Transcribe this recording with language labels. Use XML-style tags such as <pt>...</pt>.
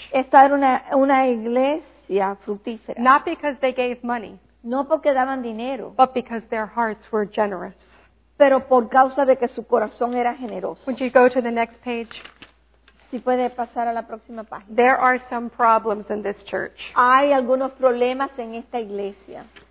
<es>Esta era una iglesia fructífera.</es> <en>Not because they gave money.</en> <es>No porque daban dinero.</es> <en>But because their hearts were generous.</en> <es>Pero por causa de que su corazón era generoso.</es> <en>Would you go to the next page?</en> <es>Si puede pasar a la próxima página.</es> <en>There are some problems in this church.</en> <es>Hay algunos problemas en esta iglesia.</es>